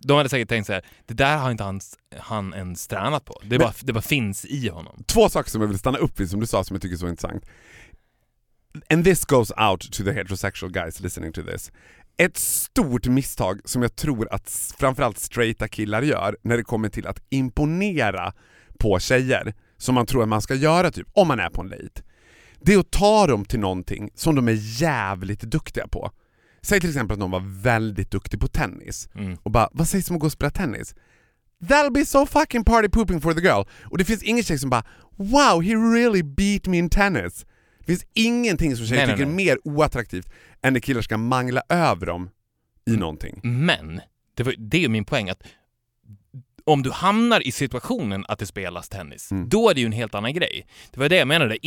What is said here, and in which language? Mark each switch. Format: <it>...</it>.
<sv>De hade säkert tänkt så här, det där har inte han ens tränat på. Det bara finns i honom. 2 saker som jag vill stanna upp vid som du sa som jag tycker är så intressant.</sv> <en>And this goes out to the heterosexual guys listening to this.</en> <sv>Ett stort misstag som jag tror att framförallt straighta killar gör när det kommer till att imponera på tjejer som man tror att man ska göra typ om man är på en date. Det är att ta dem till någonting som de är jävligt duktiga på. Säg till exempel att någon var väldigt duktig på tennis. Mm. Och bara, vad sägs om att gå och spela tennis?</sv> <en>That'll be so fucking party pooping for the girl.</en> <sv>Och det finns ingen tjej som bara,</sv> <en>wow, he really beat me in tennis.</en> <sv>Det finns ingenting som tjejer tycker mer oattraktivt än när killar ska mangla över dem i någonting. Men, det är min poäng, att om du hamnar i situationen att det spelas tennis, då är det ju en helt annan grej. Det var det jag menade.</sv>